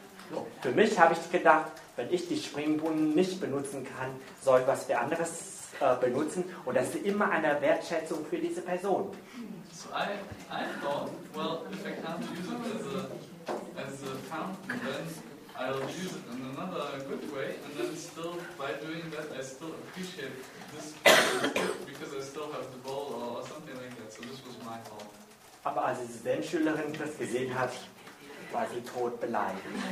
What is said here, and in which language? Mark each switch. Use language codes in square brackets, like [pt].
[de] So, für mich habe ich gedacht, wenn ich die Springbrunnen nicht benutzen kann, soll ich was für anderes benutzen. Und das ist immer eine Wertschätzung für diese Person. [en] So I thought, well, if I can't use it as a fountain, then I'll use it in another good way, and then still, by doing that, I still appreciate this because I still have the bowl or something like that. So this was my fault. [de] Aber als die Zen-Schülerin das gesehen hat, war sie tot beleidigt.